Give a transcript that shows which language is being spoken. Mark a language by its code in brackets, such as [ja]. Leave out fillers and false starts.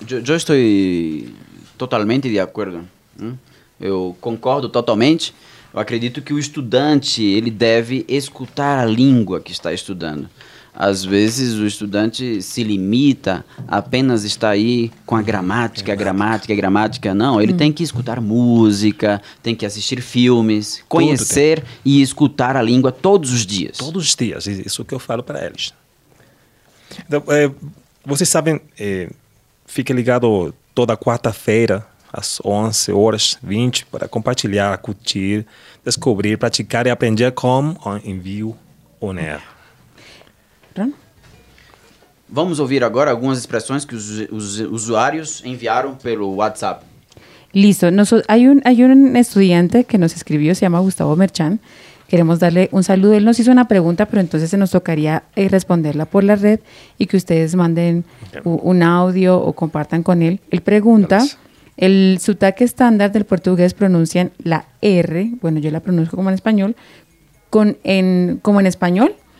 [es] Yo estoy totalmente de acuerdo. [pt] Yo concordo totalmente. Eu acredito que o estudante, ele deve escutar a língua que está estudando. Às vezes o estudante se limita a apenas estar aí com a gramática, gramática. Não, ele tem que escutar música, tem que assistir filmes, conhecer e escutar a língua todos os dias. Todos os dias, isso que eu falo para eles. Então, vocês sabem, fique ligado toda quarta-feira, às 11 horas 20, para compartilhar, curtir, descobrir, praticar e aprender com o INVIL On Air. Vamos ouvir agora algumas expressões que os usuários enviaram pelo WhatsApp. [es] Listo. Hay un estudiante que nos escribió, se llama Gustavo Merchan. Queremos darle un saludo. Él nos hizo una pregunta, pero entonces se nos tocaría responderla por la red y que ustedes manden un audio o compartan con él. Él pregunta... Gracias. El sotaque estándar del portugués pronuncian la R, bueno, yo la pronuncio como en español, como en español,